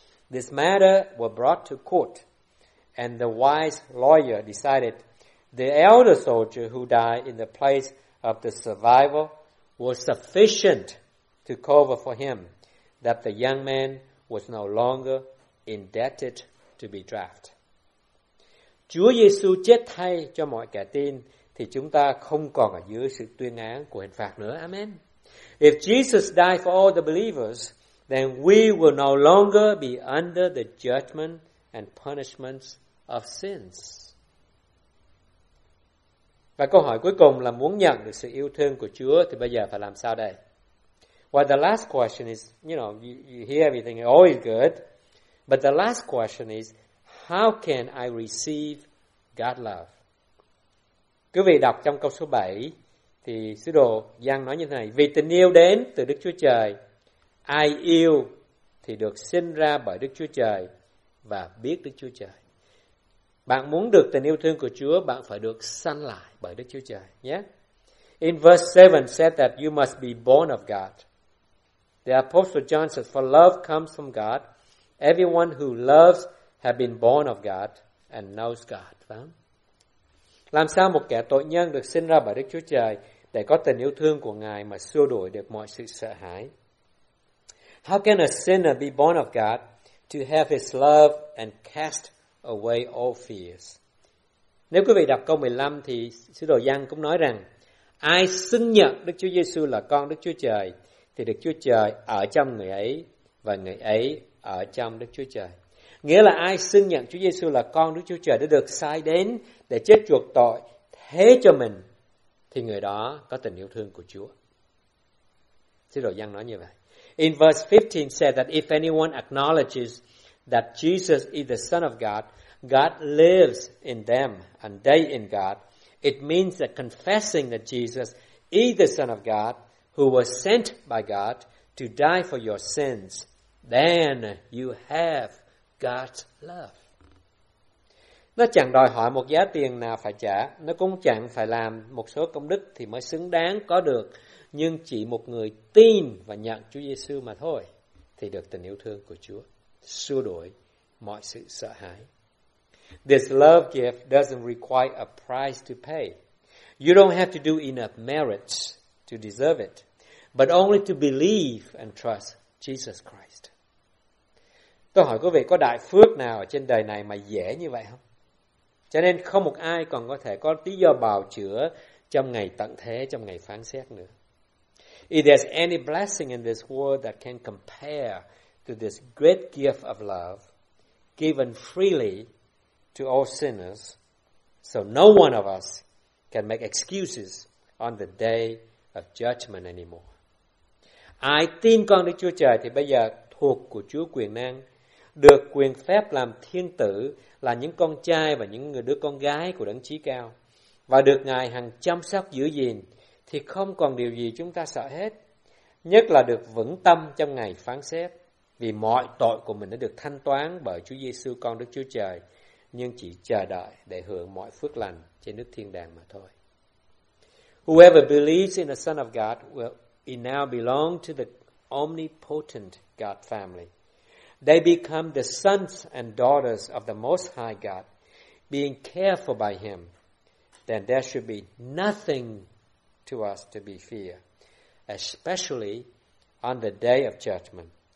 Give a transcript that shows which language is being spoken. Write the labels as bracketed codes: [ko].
[en] This matter was brought to court, and the wise lawyer decided the elder soldier who died in the place of the survivor was sufficient to cover for him, that the young man was no longer indebted to be drafted. [vi] Chúa Giêsu chết thay cho mọi kẻ tin, thì chúng ta không còn ở dưới sự tuyên án của hình phạt nữa. Amen. [en] If Jesus died for all the believers, then we will no longer be under the judgment and punishments of sins. [vi] Và câu hỏi cuối cùng là muốn nhận được sự yêu thương của Chúa thì bây giờ phải làm sao đây? [en] Well, the last question is, you hear everything, all is good. But the last question is, how can I receive God's love? [vi] Quý vị đọc trong câu số 7, thì sứ đồ Giăng nói như thế này, vì tình yêu đến từ Đức Chúa Trời, ai yêu thì được sinh ra bởi Đức Chúa Trời và biết Đức Chúa Trời. Bạn muốn được tình yêu thương của Chúa, bạn phải được sanh lại bởi Đức Chúa Trời. [en] Yeah? In verse 7 said that you must be born of God. The Apostle John says, for love comes from God. Everyone who loves has been born of God and knows God. [vi] Phải không? Làm sao một kẻ tội nhân được sinh ra bởi Đức Chúa Trời để có tình yêu thương của Ngài mà xua đuổi được mọi sự sợ hãi? [en] How can a sinner be born of God to have his love and cast away all fears? [vi] Nếu quý vị đọc câu 15 thì Sứ đồ Giăng cũng nói rằng ai xưng nhận Đức Chúa Giêsu là con Đức Chúa Trời thì Đức Chúa Trời ở trong người ấy và người ấy ở trong Đức Chúa Trời. Nghĩa là ai xưng nhận Chúa Giêsu là con Đức Chúa Trời đã được sai đến để chết chuộc tội thế cho mình thì người đó có tình yêu thương của Chúa. Sứ đồ Giăng nói như vậy. [en] In verse 15 said that if anyone acknowledges that Jesus is the Son of God, God lives in them and they in God. It means that confessing that Jesus is the Son of God who was sent by God to die for your sins, then you have God's love. [vi] Nó chẳng đòi hỏi một giá tiền nào phải trả, nó cũng chẳng phải làm một số công đức thì mới xứng đáng có được, nhưng chỉ một người tin và nhận Chúa Giêsu mà thôi thì được tình yêu thương của Chúa xua đuổi mọi sự sợ hãi. [en] This love gift doesn't require a price to pay. You don't have to do enough merits to deserve it, but only to believe and trust Jesus Christ. [vi] Tôi hỏi quý vị có đại phước nào ở trên đời này mà dễ như vậy không? Cho nên không một ai còn có thể có lý do bào chữa trong ngày tận thế, trong ngày phán xét nữa. [en] If there's any blessing in this world that can compare to this great gift of love given freely to all sinners, so no one of us can make excuses on the day of judgment anymore. [vi] Ai tin con Đức Chúa Trời thì bây giờ thuộc của Chúa quyền năng, được quyền phép làm thiên tử, là những con trai và những đứa con gái của Đấng Chí Cao, và được Ngài hằng chăm sóc giữ gìn, thì không còn điều gì chúng ta sợ hết, nhất là được vững tâm trong ngày phán xét, vì mọi tội của mình đã được thanh toán bởi Chúa Giêsu con Đức Chúa Trời, nhưng chỉ chờ đợi để hưởng mọi phước lành trên nước thiên đàng mà thôi. [en] Whoever believes in the Son of God will now belong to the omnipotent God family. They become the sons and daughters of the Most High God, being cared for by Him. Then there should be nothing to us to be feared, especially on the day of judgment.